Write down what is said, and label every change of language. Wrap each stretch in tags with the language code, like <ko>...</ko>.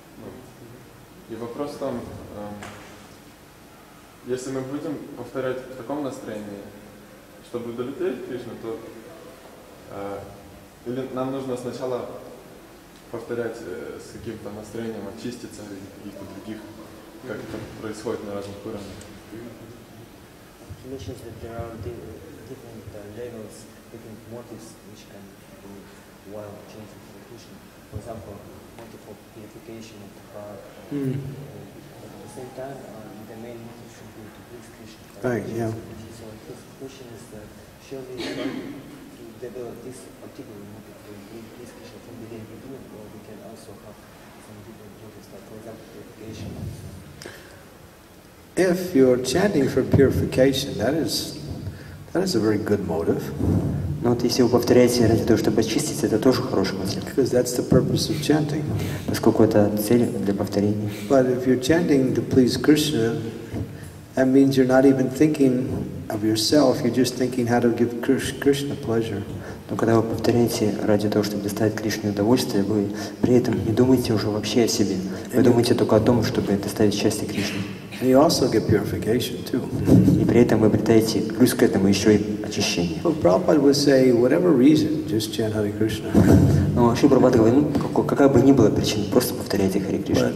<ru>Ну, и вопрос в том, если мы будем повторять в таком настроении, чтобы удовлетворить Кришну, то или нам нужно сначала повторять с каким-то настроением, очиститься и у других, как это происходит на разных уровнях.</ru> <en>He mentions that there are different levels, different motives which can be while chanting Hare Krishna. For example, motive for purification of the heart. But at the same time, the main motive should be to please Krishna. Right, yeah. So his question is that surely we to develop this particular motive to please Krishna from the beginning, or we can also have some different motives, like for example, purification. If you're chanting for purification, that is a very good motive.</en> <ru>Но вот если вы повторяете ради того, чтобы очиститься, это тоже хороший мотив.</ru> <en>Because that's the purpose of chanting.</en> <ru>Поскольку это цель для повторения.</ru> <en>But if you're chanting to please Krishna, that means you're not even thinking of yourself. You're just thinking how to give Krishna pleasure.</en> <ru>Но когда вы повторяете ради того, чтобы доставить Кришне удовольствие, вы при этом не думаете уже вообще о себе. Вы думаете только о том, чтобы доставить счастье Кришне.</ru> <en>And you also get purification too.</en> <ru>И при этом вы обретаете плюс к этому еще и очищение.</ru> <en>Well, Prabhupada would say, whatever reason, just chant Hare Krishna.</en> <ru>Но вообще Прабхупада говорит, какая бы ни была причина, просто повторяйте Hare Krishna.</ru>